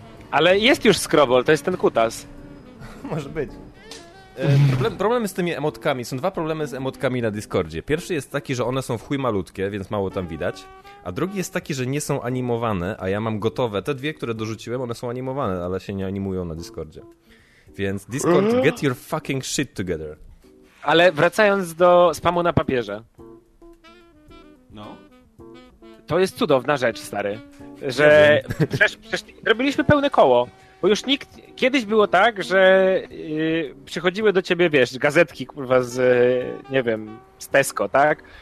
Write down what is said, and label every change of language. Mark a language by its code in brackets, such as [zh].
[pl] Ale jest już Skrobol, to jest ten kutas. Może być. Problemy z tymi emotkami. Są dwa problemy z emotkami na Discordzie. Pierwszy jest taki, że one są w chuj malutkie, więc mało tam widać. A drugi jest taki, że nie są animowane, a ja mam gotowe. Te dwie, które dorzuciłem, one są animowane, ale się nie animują na Discordzie. Więc [en] Discord, get your fucking shit together. [pl] Ale wracając do spamu na papierze. No. to jest cudowna rzecz, stary. Że przecież robiliśmy pełne koło. Bo już nikt... Kiedyś było tak, że przychodziły do ciebie, wiesz, gazetki, kurwa, z, nie wiem, z Tesco, tak?